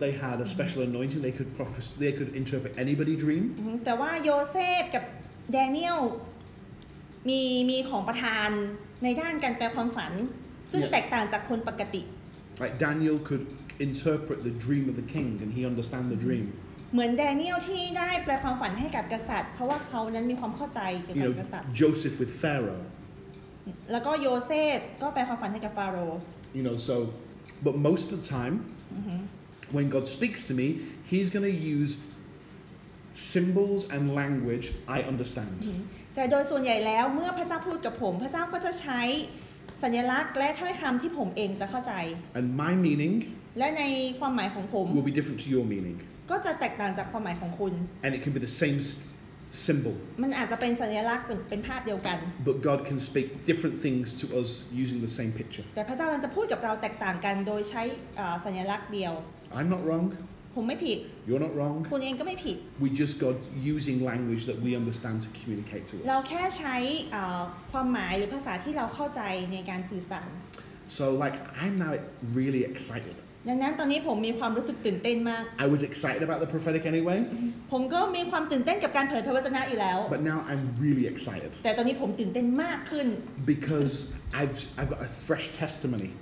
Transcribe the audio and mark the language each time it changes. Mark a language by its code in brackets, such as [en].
[en] They had a special anointing. They could prophesy. They could interpret anybody's dream. [th] แต่ว่าโยเซฟกับเดเนียลมีของประทานในด้านการแปลความฝันซึ่งแตกต่างจากคนปกติ [en] Like Daniel could interpret the dream of the king, and he understand the dream. [th] เหมือนเดเนียลที่ได้แปลความฝันให้กับกษัตริย์เพราะว่าเขานั้นมีความเข้าใจเกี่ยวกับกษัตริย์ [en] Joseph with Pharaoh. [th] แล้วก็โยเซฟก็แปลความฝันให้กับฟาโร [en] ห์ You know so. But most of the time, when God speaks to me, He's going to use symbols and language I understand. [th] แต่โดยส่วนใหญ่แล้วเมื่อพระเจ้าพูดกับผมพระเจ้าก็จะใช้สัญลักษณ์และถ้อยคำที่ผมเองจะเข้าใจ [en] And my meaning [th] และในความหมายของผม [en] will be different to your meaning. [th] ก็จะแตกต่างจากความหมายของคุณ [en] And it can be the same symbol. [th] มันอาจจะเป็นสัญลักษณ์เป็นภาพเดียวกัน [en] But God can speak different things to us using the same picture. [th] แต่พระเจ้าจะพูดกับเราแตกต่างกันโดยใช้สัญลักษณ์เดียว [en] I'm not wrong. [th] ผมไม่ผิด [en] You're not wrong. [th] คุณเองก็ไม่ผิด [en] We just God using language that we understand to communicate to us. [th] เราแค่ใช้ความหมายหรือภาษาที่เราเข้าใจในการสื่อสาร [en] So like I'm now really excited. [th] ด ดังนั้นตอนนี้ผมมีความรู้สึกตื่นเต้นมาก [en] I was excited about the prophetic anyway [th] ผมก็มีความตื่นเต้นกับการเผยพระวจนะอยู่แล้ว [en] But now I'm really excited [th] แต่ตอนนี้ผมตื่นเต้นมากขึ้น [en] Because I've got a fresh testimony